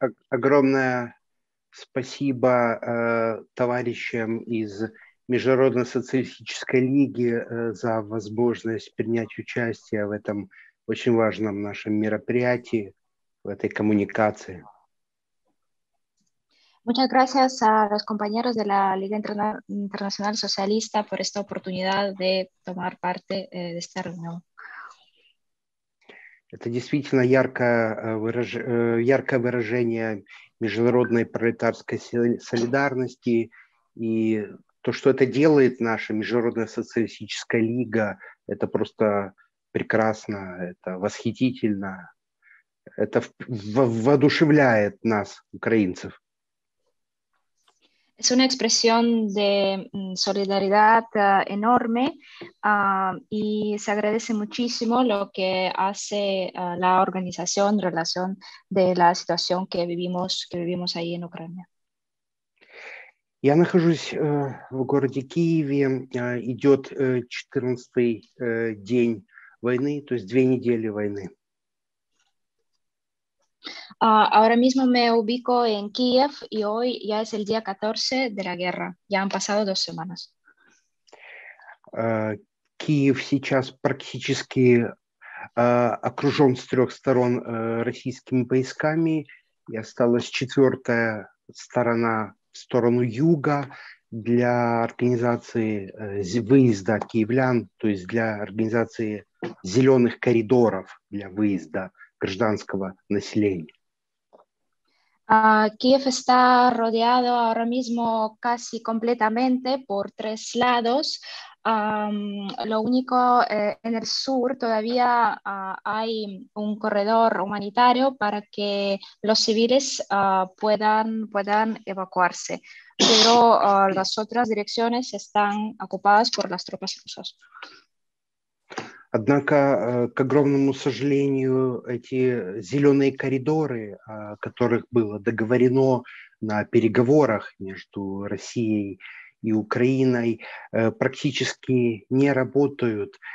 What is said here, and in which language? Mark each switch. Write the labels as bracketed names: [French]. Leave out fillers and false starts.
[Russian] Огромное спасибо товарищам из Международной социалистической лиги за возможность принять участие в этом очень важном нашем мероприятии, в этой коммуникации. [Spanish] Muchas gracias a los compañeros de la Liga Internacional Socialista por esta oportunidad de tomar parte de esta reunión. [Russian] Это действительно яркое выражение международной пролетарской солидарности, и то, что это делает наша Международная социалистическая лига, это просто прекрасно, это восхитительно, это воодушевляет нас, украинцев. [Spanish] Es una expresión de solidaridad enorme y se agradece muchísimo lo que hace la organización en relación de la situación que vivimos ahí en Ucrania. [Russian] Я нахожусь в городе Киеве. Идет 14-й день войны, то есть 2 недели войны. [Spanish] Ahora mismo me ubico en Kiev y hoy ya es el día 14 de la guerra. Ya han pasado 2 semanas. [Russian] Киев сейчас практически окружен с 3 сторон российскими войсками. И осталась 4-я сторона в сторону юга для организации выезда киевлян, то есть для организации зеленых коридоров для выезда гражданского населения. [Spanish] Kiev está rodeado ahora mismo casi completamente por 3 lados. Lo único, en el sur todavía hay un corredor humanitario para que los civiles puedan evacuarse. Pero las otras direcciones están ocupadas por las tropas rusas. [Russian] Однако, к огромному сожалению, эти зеленые коридоры, о которых было договорено на переговорах между Россией и Украиной, практически не работают.